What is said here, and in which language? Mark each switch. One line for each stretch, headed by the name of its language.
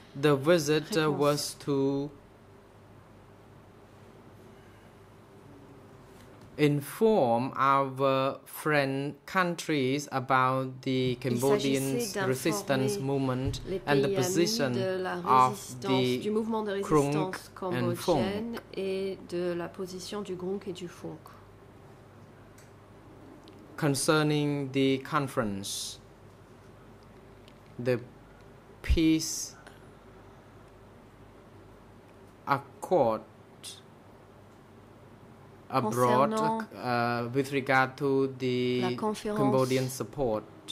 English: The visit was to inform our friend countries about the Cambodian resistance movement and the position of the Grung and Fung.
French: Et de la position du Grung et du Fung.
English: Concerning the conference, the peace accord abroad with regard to the Cambodian support